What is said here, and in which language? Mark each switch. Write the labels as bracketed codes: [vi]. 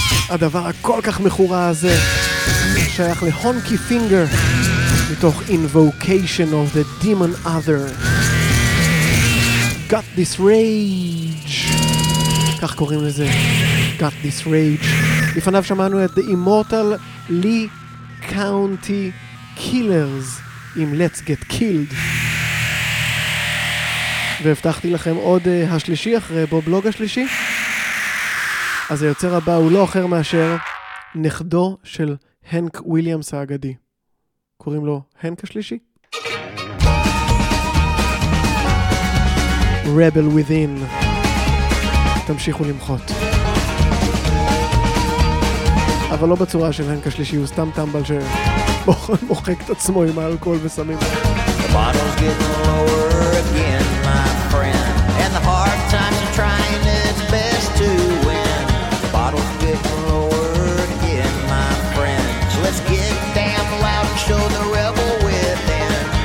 [he] הדבר הכל כך מחורה הזה שייך להונקי פינגר מתוך Invocation of the Demon Other. [en] Got this rage, [he] כך קוראים לזה, [en] Got this rage. [he] לפניו שמענו את The Immortal Lee County Killers עם Let's Get Killed, והבטחתי לכם עוד השלישי אחרי בו בלוג השלישי. אז היוצר הבא הוא לא אחר מאשר נכדו של הנק וויליאמס האגדי, קוראים לו הנק השלישי, Rebel Within. תמשיכו למחות, אבל לא בצורה של הנק השלישי, הוא סתם טמבל שמוחק את עצמו עם האלכוהול וסמים. [en] The bottle's getting lower again, my friend, and the hard times are trying its best to win. The bottle's getting lower again, my friend, so let's get damn loud and show the rebel within.